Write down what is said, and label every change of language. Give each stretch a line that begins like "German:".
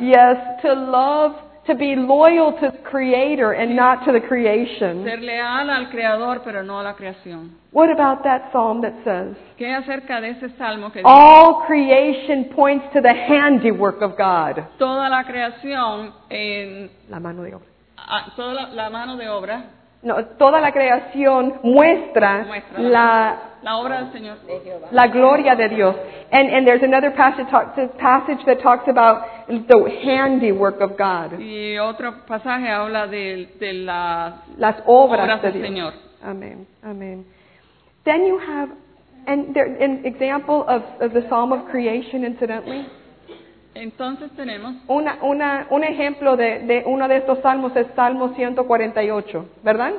English: Yes, to love, to be loyal to the Creator and not to the creation.
Spanish: Ser leal al Creador, pero no a la creación.
English: What about that psalm that says?
Spanish: ¿Qué acerca de ese salmo que dice?
English: All creation points to the handiwork of God.
Spanish: Toda la creación en la mano de obra. Toda la mano de obra. No, toda la creación muestra la obra del Señor, la gloria de Dios.
English: And there's another passage that talks about the handiwork of God.
Spanish: Y otro pasaje habla de las obras del de Señor. Amén, amén.
English: Then you have an example of the Psalm of Creation, incidentally.
Spanish: Entonces tenemos un ejemplo de uno de estos salmos es Salmo 148, ¿verdad?